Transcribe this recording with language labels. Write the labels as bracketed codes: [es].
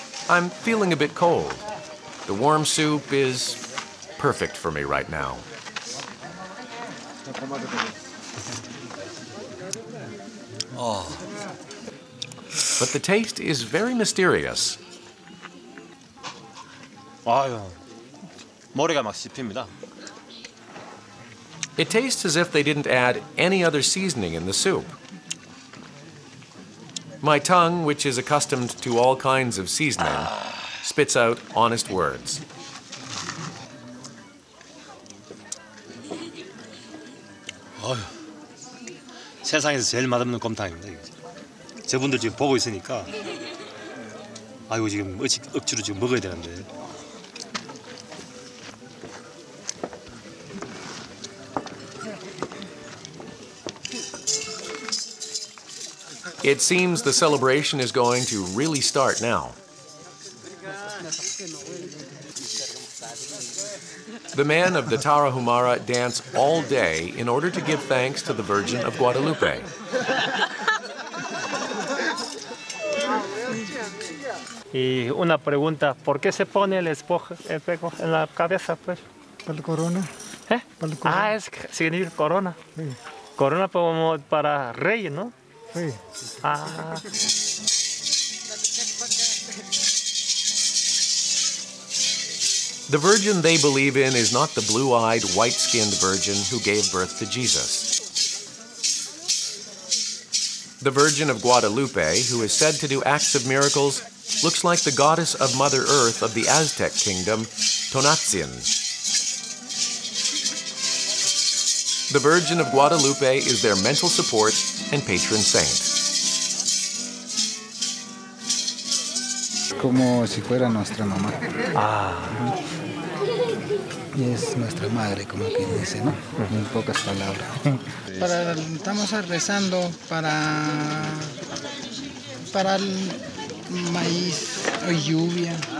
[en] I'm feeling a bit cold. The warm soup is perfect for me right now. Oh. But the taste is very mysterious. [ko] 아유, 머리가 막 씹힙니다. [en] It tastes as if they didn't add any other seasoning in the soup. My tongue, which is accustomed to all kinds of seasoning, spits out honest words. [ko] 아유, 세상에서 제일 맛없는 곰탕입니다. 저분들 지금 보고 있으니까 아이고 지금 억지로 지금 먹어야 되는데 [en] It seems the celebration is going to really start now. The men of the Tarahumara dance all day in order to give thanks to the Virgin of Guadalupe. [es] Y una pregunta, ¿por qué se pone el espejo en la cabeza, pues? Para la corona. ¿Eh? Para la corona. Ah, es significa corona. Sí. Corona como para rey, ¿no? Sí. Ah. [en] The Virgin they believe in is not the blue-eyed, white-skinned Virgin who gave birth to Jesus. The Virgin of Guadalupe, who is said to do acts of miracles, looks like the goddess of Mother Earth of the Aztec kingdom, Tonatzin. The Virgin of Guadalupe is their mental support and patron saint. [es] Como si fuera nuestra mamá. Ah. Y es nuestra madre, como quien dice, ¿no? En pocas palabras. Para, estamos rezando para el maíz o lluvia.